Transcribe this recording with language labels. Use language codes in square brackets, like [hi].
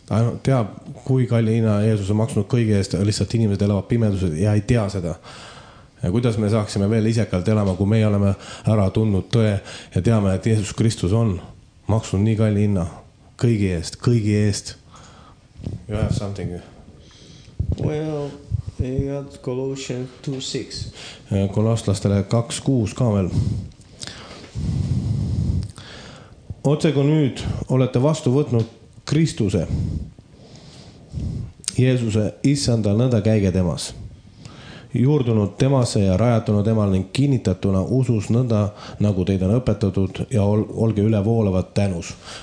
[et] Ta teab, kui kalli hinna Jeesus on maksnud kõige eest, lihtsalt inimesed elavad pimedused ja ei tea seda. Ja kuidas me saaksime veel isekalt elama, kui me oleme ära tunnud tõe ja teame, et Jeesus Kristus on maksnud nii kalli hinna kõige eest. [en] You have something. Well, they had Colossians 2:6. [et] Kolosslastele 2:6 ka veel. Otsega nüüd olete vastu võtnud Kristuse, Jeesuse issanda nõnda käige temas, juurdunud temase ja rajatunud temal ning kinnitatuna usus nõnda, nagu teid on õpetatud ja olge üle voolavad tänus.